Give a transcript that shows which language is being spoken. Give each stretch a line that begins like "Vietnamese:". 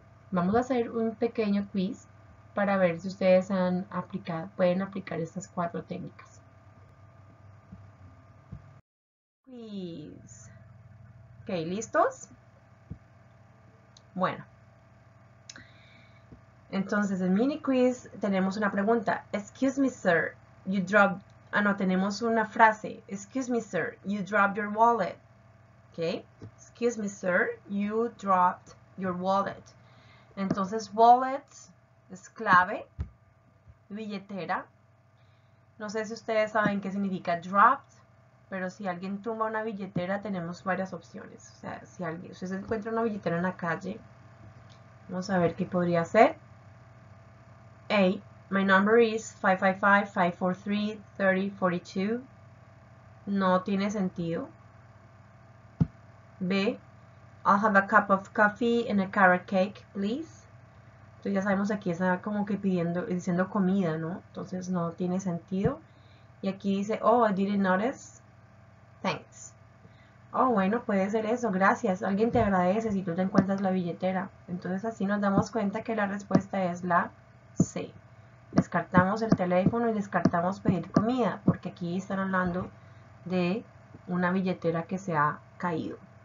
Spanish: Vamos a hacer un pequeño quiz para ver si ustedes pueden aplicar estas cuatro técnicas. Quiz. Ok, ¿listos? Bueno. Entonces, el mini quiz tenemos una pregunta.
English: Excuse me, sir, you dropped.
Spanish: Ah, no, tenemos una frase.
English: Excuse me, sir, you dropped your wallet. Ok. Excuse me, sir, you dropped your wallet.
Spanish: Entonces, wallet es clave, billetera. No sé si ustedes saben qué significa dropped, pero si alguien tumba una billetera, tenemos varias opciones. O sea, si se encuentra una billetera en la calle, vamos a ver qué podría ser.
English: A. My number is 555-543-3042.
Spanish: No tiene sentido. B.
English: I'll have a cup of coffee and a carrot cake, please.
Spanish: Entonces ya sabemos aquí está como que pidiendo, diciendo comida, ¿no? Entonces no tiene sentido. Y aquí dice,
English: oh, I didn't notice. Thanks.
Spanish: Oh, bueno, puede ser eso. Gracias. Alguien te agradece si tú te encuentras la billetera. Entonces así nos damos cuenta que la respuesta es la C. Descartamos el teléfono y descartamos pedir comida, porque aquí están hablando de una billetera que se ha caído.